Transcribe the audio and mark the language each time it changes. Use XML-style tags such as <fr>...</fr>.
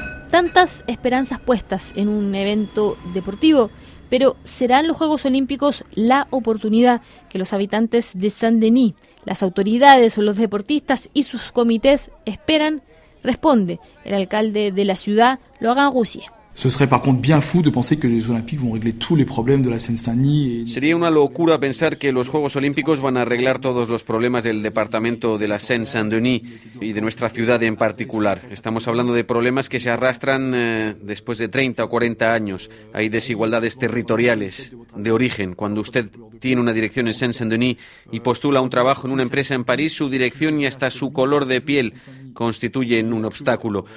<es>Tantas esperanzas puestas en un evento deportivo, pero ¿serán los Juegos Olímpicos la oportunidad que los habitantes de Saint-Denis, las autoridades o los deportistas y sus comités esperan? Responde el alcalde de la ciudad, Laurent Roussier.</es> <fr>Ce serait par contre bien fou de penser que les Olympiques vont régler tous les problèmes de la Seine-Saint-Denis.</fr> <es>Sería una locura pensar que los Juegos Olímpicos van a arreglar todos los problemas del departamento de la Seine-Saint-Denis y de nuestra ciudad en particular. Estamos hablando de problemas que se arrastran después de 30 o 40 años. Hay desigualdades territoriales de origen. Cuando usted tiene una dirección en Seine-Saint-Denis y postula un trabajo en una empresa en París, su dirección y hasta su color de piel constituyen un obstáculo.</es>